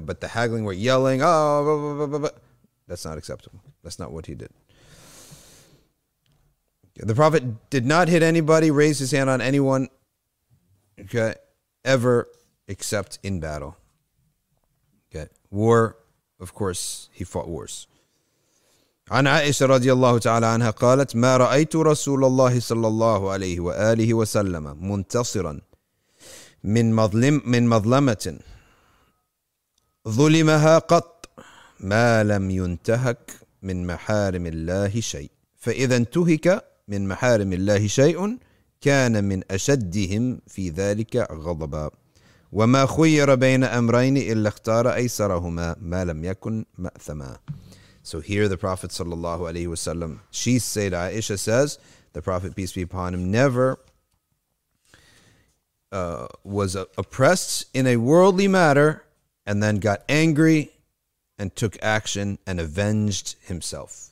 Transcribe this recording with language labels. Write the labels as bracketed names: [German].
[English] But the haggling where yelling, oh, blah, blah, blah, blah, blah, that's not acceptable. That's not what he did. The Prophet did not hit anybody, raise his hand on anyone, okay, ever, except in battle. Okay. War, of course, he fought wars. [Arabic] عن عائشة رضي الله تعالى عنها قالت ما رأيت رسول الله صلى الله عليه وآله وسلم منتصرا من مظلمة ظلمها قط ما لم ينتهك من محارم الله شيء فإذا انتهك من محارم الله شيء كان من أشدهم في ذلك غضبا وما خير بين أمرين إلا اختار أيسرهما ما لم يكن مأثما. [English] So here the Prophet sallallahu alaihi wasallam, she said, Aisha says, the Prophet peace be upon him never was oppressed in a worldly matter and then got angry and took action and avenged himself.